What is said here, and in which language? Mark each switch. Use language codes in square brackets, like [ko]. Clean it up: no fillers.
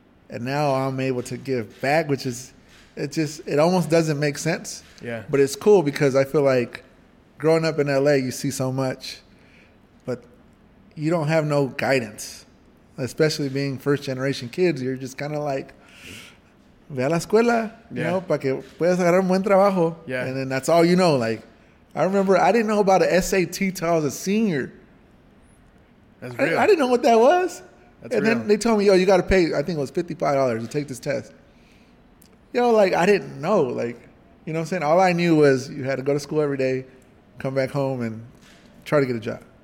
[en] And now I'm able to give back, which is, it almost doesn't make sense. Yeah. But it's cool because I feel like growing up in LA, you see so much, but you don't have no guidance, especially being first generation kids. You're just kind of like, [es] ve a la escuela, [en] you know, [es] para que puedas agarrar un buen trabajo. [en] Yeah. And then that's all you know. Like, I remember I didn't know about an SAT till I was a senior. That's real. I didn't know what that was. That's and real. Then they told me, yo, you got to pay, I think it was $55 to take this test. Yo, like, I didn't know. Like, you know what I'm saying? All I knew was you had to go to school every day, come back home, and try to get a job.